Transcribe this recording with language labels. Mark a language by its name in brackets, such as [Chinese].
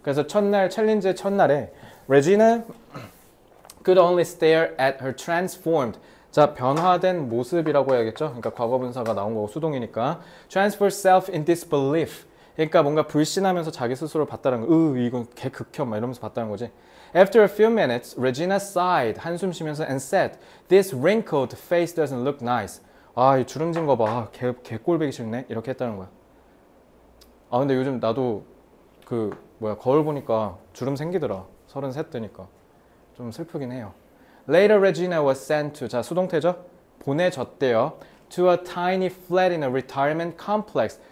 [Korean] 그래서 첫날, 챌린지의 첫날에 레지는 [English] could only stare at her transformed. [Korean] 자, 변화된 모습이라고 해야겠죠? 그러니까 과거분사가 나온 거고 수동이니까. [English] Transfer self in disbelief. [Korean] 그러니까 뭔가 불신하면서 자기 스스로 봤다는 거. 이건 개극혐 막 이러면서 봤다는 거지. [English] After a few minutes, Regina sighed, [Korean] 한숨 쉬면서 [English] and said, "This wrinkled face doesn't look nice." [Korean] 아, 이 주름진 거 봐. 개꼴 보기 싫네. 이렇게 했다는 거야. 아, 근데 요즘 나도 그 뭐야, 거울 보니까 주름 생기더라. 33 되니까. 좀 슬프긴 해요. [English] Later, Regina was sent to, [Korean] 자, 수동태죠? 보내졌대요. [English] To a tiny flat in a retirement complex.